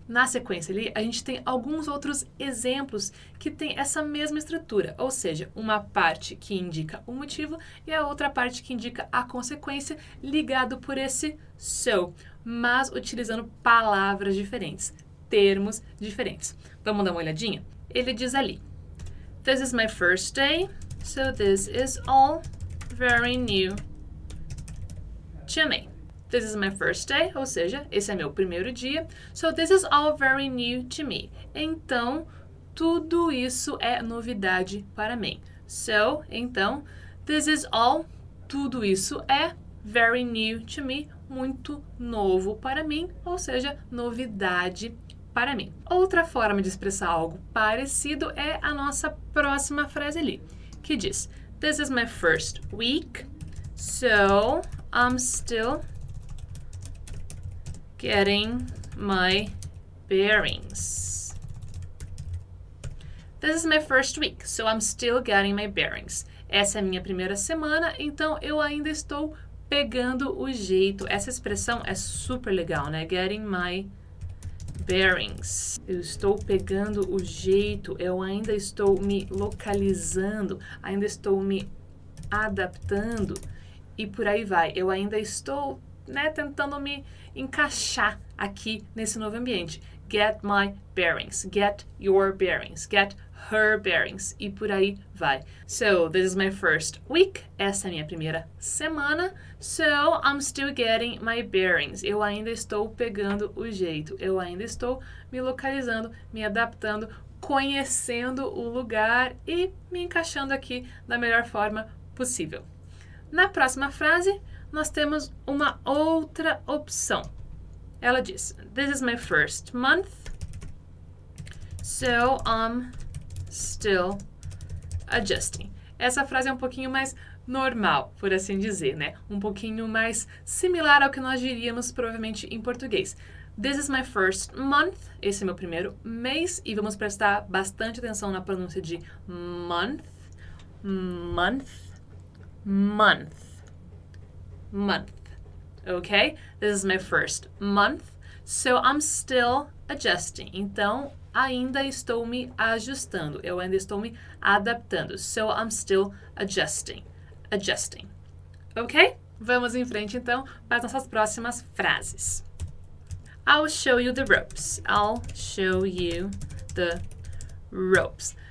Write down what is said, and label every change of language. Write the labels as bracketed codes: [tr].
[pt] Na sequência ali, a gente tem alguns outros exemplos que têm essa mesma estrutura. Ou seja, uma parte que indica o motivo e a outra parte que indica a consequência ligado por esse so, mas utilizando palavras diferentes. Termos diferentes. Vamos dar uma olhadinha? Ele diz ali: [en] "This is my first day, so this is all very new to me." This is my first day, [pt] ou seja, esse é meu primeiro dia. [en] So this is all very new to me. [pt] Então, tudo isso é novidade para mim. So, então, [en] this is all, [pt] tudo isso é [en] very new to me, [pt] muito novo para mim, ou seja, novidade para mim. Outra forma de expressar algo parecido é a nossa próxima frase ali, que diz: [en] "This is my first week, so I'm still getting my bearings." This is my first week, so I'm still getting my bearings. [pt] Essa é a minha primeira semana, então eu ainda estou pegando o jeito. Essa expressão é super legal, né? [en] Getting my bearings. [pt] Eu estou pegando o jeito, eu ainda estou me localizando, ainda estou me adaptando e por aí vai. Eu ainda estou, né, tentando me encaixar aqui nesse novo ambiente. [en] Get my bearings, get your bearings, get her bearings [pt] e por aí vai. [en] So, this is my first week, [pt] essa é a minha primeira semana. [en] So, I'm still getting my bearings. [pt] Eu ainda estou pegando o jeito, eu ainda estou me localizando, me adaptando, conhecendo o lugar e me encaixando aqui da melhor forma possível. Na próxima frase, nós temos uma outra opção. Ela diz: [en] "This is my first month, so I'm still adjusting." [pt] Essa frase é um pouquinho mais normal, por assim dizer, né? Um pouquinho mais similar ao que nós diríamos provavelmente em português. [en] This is my first month, [pt] esse é meu primeiro mês, e vamos prestar bastante atenção na pronúncia de [en] month, month, month, month, [pt] ok? [en] This is my first month, so I'm still adjusting. [pt] Então, ainda estou me ajustando, eu ainda estou me adaptando. [en] So I'm still adjusting, adjusting. Ok? [pt] Vamos em frente então para as nossas próximas frases. [en] I'll show you the ropes. I'll show you the ropes.